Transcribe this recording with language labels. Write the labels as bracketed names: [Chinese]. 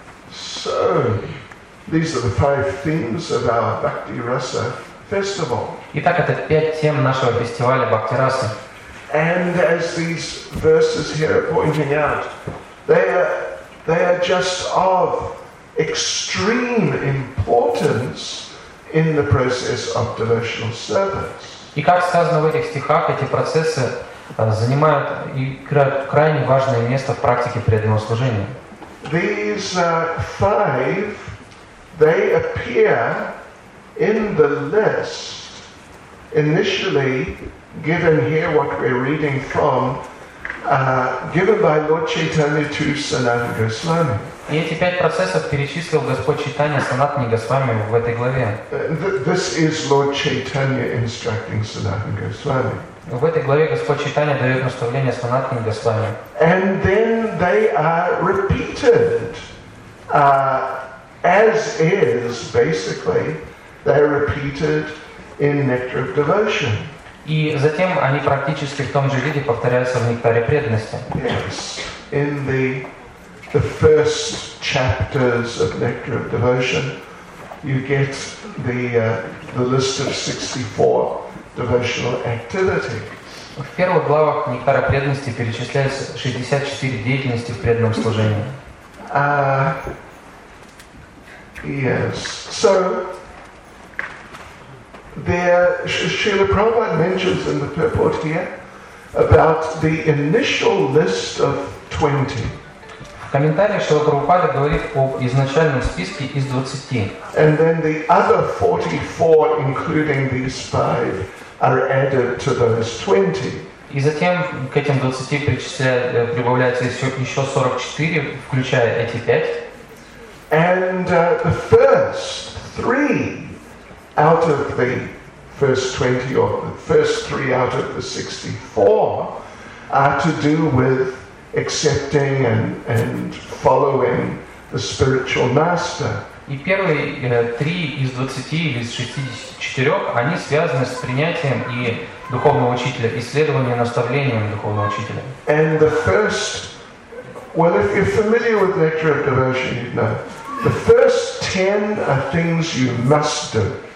[English] So, these are the five themes of our Bhakti Rasa festival. [Russian] Итак, это пять тем нашего фестиваля Бхакти Раса. [English] And as these verses here are pointing out, they are just of extreme importance in the process of devotional service. [Russian] И как сказано в этих стихах, эти процессы занимают и играют крайне важное место в практике преданного служения. [English] These five, they appear in the list initially. Given here what we're reading from, given by Lord Chaitanya to Sanatana Goswami. [Russian] И эти пять процессов перечислил Господь Чайтанья Санатане Госвами в этой главе. [English] This is Lord Chaitanya instructing Sanatana Goswami. [Russian] В этой главе Господь Чайтанья дает наставление Санатане Госвами. [English] And then they are repeated, as is basically, they are repeated in Nectar of Devotion. [Russian] И затем они практически в том же виде повторяются в нектаре преданности. [English] Yes, in the first chapters of Nectar of Devotion, you get the list of 64 devotional activities. [Russian] В первых главах нектара преданности перечисляются 64 деятельности в преданном служении. [English] Yes, so. There, Srila Prabhupada mentions in the purport here about the initial list of 20. [Russian] В комментариях Шрила Прабхупада говорит об изначальном списке из 20. [English] And then the other 44, including these five, are added to those 20. [Russian] И затем к этим 20 прибавляется еще 44, включая эти 5. [English] And the first three out of the first 20 or the first three out of the 64 are to do with accepting and following the spiritual master. [Russian] И первые три из 20 или из 64 они связаны с принятием и духовного учителя, исследованием и наставлением духовного учителя. [English] And the first, well, if you're familiar with Nectar of Devotion, you'd know the first 10 are things you must do.